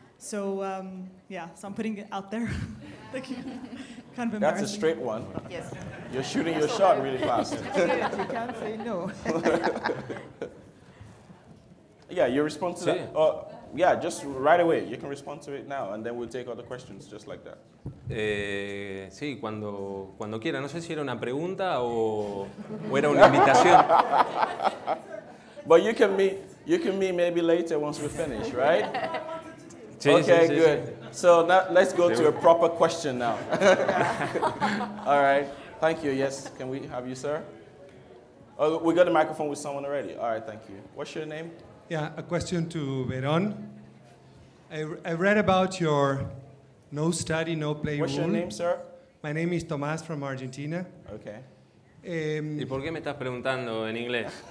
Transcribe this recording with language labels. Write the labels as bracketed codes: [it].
[en] So, so I'm putting it out there. Thank you. Kind of embarrassing. That's a straight one. Yes. You're shooting your shot really fast. You can't say no. Yeah, you respond to that. Yeah, just right away. You can respond to it now, and then we'll take other questions just like that. [es] Sí, cuando quiera. No sé si era una pregunta o era una invitación. [en] But you can meet maybe later once we finish, right? Okay, good. So now let's go to a proper question now. All right. Thank you. Yes, can we have you, sir? Oh, we got a microphone with someone already. All right. Thank you. What's your name? Yeah, a question to Veron. I read about your no study, no play rule. What's your name, sir? My name is Tomás from Argentina. Okay. [es] ¿Y por qué me estás preguntando en inglés?